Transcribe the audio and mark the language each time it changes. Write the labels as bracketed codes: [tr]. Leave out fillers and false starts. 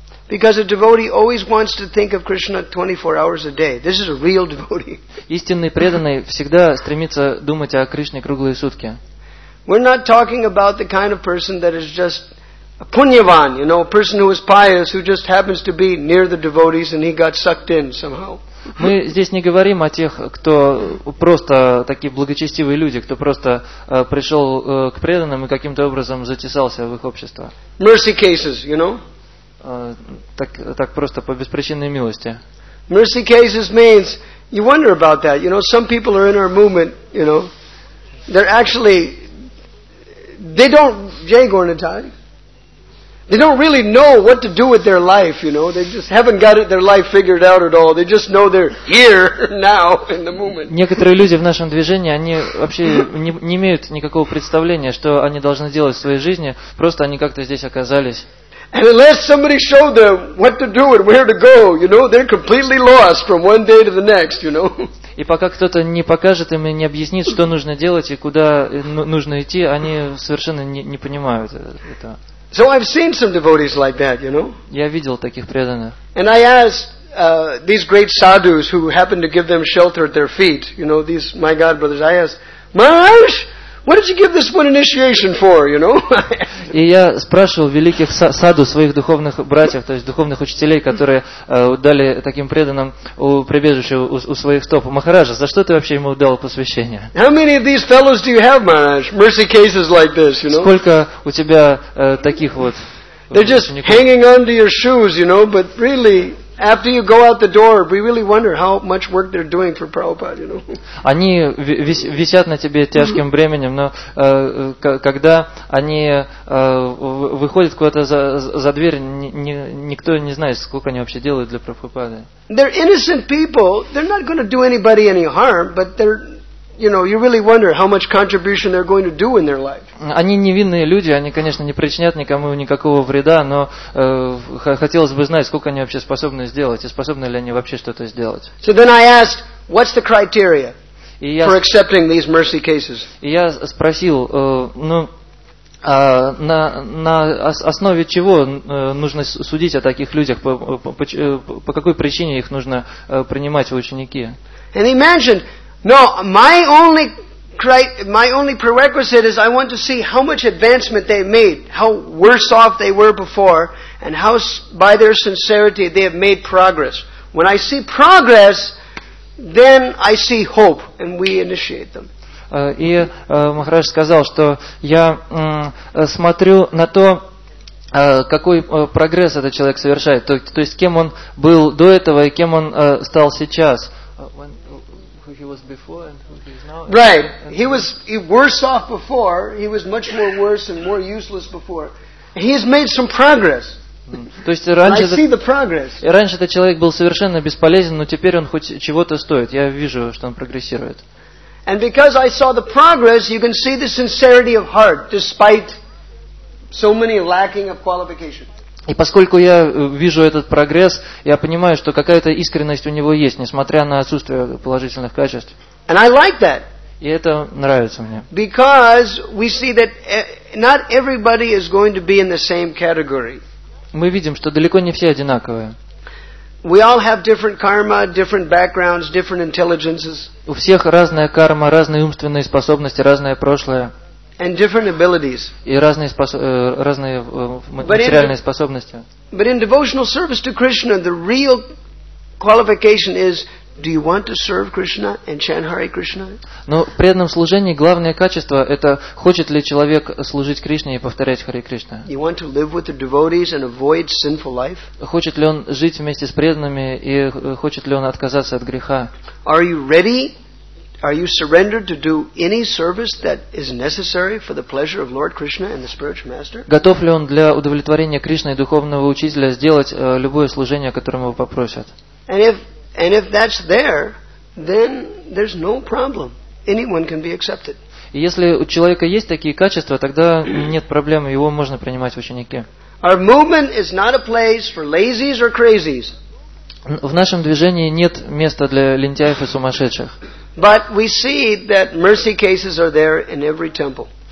[en] Because a devotee always wants to think of Krishna 24 hours a day. This is a real devotee. [ru] Истинный преданный всегда стремится думать о Кришне круглые сутки. [en] We're not talking about the kind of person that is just a punyavan, you know, a person who is pious who just happens to be near the devotees and he got sucked in somehow. [ru] Мы здесь не говорим о тех, кто просто такие благочестивые люди, кто просто пришел к преданным и каким-то образом затесался в их общество. [en] Mercy cases, you know. [ru] Так просто по беспричинной милости. [en] Mercy cases means you wonder about that. You know, some people are in our movement. You know, they're actually they don't really know what to do with their life. You know, they just haven't got their life figured out at all. They just know they're here now in the movement. [ru] Некоторые люди в нашем движении они вообще не имеют никакого представления, что они должны делать в своей жизни. Просто они как-то здесь оказались. [en] And unless somebody showed them what to do and where to go, you know, they're completely lost from one day to the next, you know. [ru] И пока кто-то не покажет им и не объяснит, что нужно делать и куда нужно идти, они совершенно не понимают это. [en] So I've seen some devotees like that, you know? [ru] Я видел таких преданных. [en] And I asked these great sadhus who happened to give them shelter at their feet, you know, these my God brothers, I asked, Maharaj, what did you give this one initiation for, you know? [ru] И я спрашивал великих саду своих духовных братьев, то есть духовных учителей, которые дали таким преданным у прибежища у своих стоп. Махараджа, за что ты вообще ему дал посвящение? [en] How many of these fellows do you have, Maharaj? Mercy cases like this, you know? [ru] Сколько у тебя таких вот? [en] They're just hanging on to your shoes, you know, but really after you go out the door, we really wonder how much work they're doing for Prabhupada, you know. [ru] Они висят на тебе тяжким бременем, но когда они выходят куда-то за дверь, никто не знает, сколько они вообще делают для Прабхупады. [en] They're innocent people. They're not going to do anybody any harm, but they're, you know, you really wonder how much contribution they're going to do in their life. [ru] Они невинные люди, они, конечно, не причинят никому никакого вреда, но хотелось бы знать, сколько они вообще способны сделать, и способны ли они вообще что-то сделать. [en] So then I asked, what's the criteria for accepting these mercy cases? [ru] И я спросил, на основе чего нужно судить о таких людях, по какой причине их нужно принимать в ученики? [en] And he mentioned, no, my only prerequisite is I want to see how much advancement they made, how worse off they were before, and how by their sincerity they have made progress. When I see progress, then I see hope, and we initiate them. [ru] И Махарадж сказал, что я смотрю на то, какой прогресс этот человек совершает, то есть кем он был до этого и кем он стал сейчас. [en] He was before and who he is now. Right. He was worse off before. He was much more worse and more useless before. He has made some progress. [ru] То есть раньше [en] I see the progress. [ru] И раньше этот человек был совершенно бесполезен, но теперь он хоть чего-то стоит. Я вижу, что он прогрессирует. [en] And because I saw the progress, you can see the sincerity of heart despite so many lacking of qualification. [ru] И поскольку я вижу этот прогресс, я понимаю, что какая-то искренность у него есть, несмотря на отсутствие положительных качеств. [en] And I like that. [ru] И это нравится мне. [en] Because we see that not everybody is going to be in the same category. [ru] Мы видим, что далеко не все одинаковые. [en] We all have different karma, different backgrounds, different intelligences. [ru] У всех разная карма, разные умственные способности, разное прошлое. [en] And different abilities. [ru] И разные материальные способности. [en] But in devotional service to Krishna, the real qualification is: do you want to serve Krishna and chant Hare Krishna? [ru] Но в преданном служении главное качество – это хочет ли человек служить Кришне и повторять Харе Кришна. [en] You want to live with the devotees and avoid sinful life? [ru] Хочет ли он жить вместе с преданными и хочет ли он отказаться от греха? [en] Are you ready? Are you surrendered to do any service that is necessary for the pleasure of Lord Krishna and the spiritual master? [ru] Готов ли он для удовлетворения Кришны и духовного учителя сделать любое служение, которое его попросят? [en] And if that's there, then there's no problem. Anyone can be accepted. [ru] И если у человека есть такие качества, тогда нет проблем, его можно принимать в ученики. [en] Our movement is not a place for lazies or crazies. [ru] В нашем движении нет места для лентяев и сумасшедших. [en] But we see that mercy cases are there in every temple.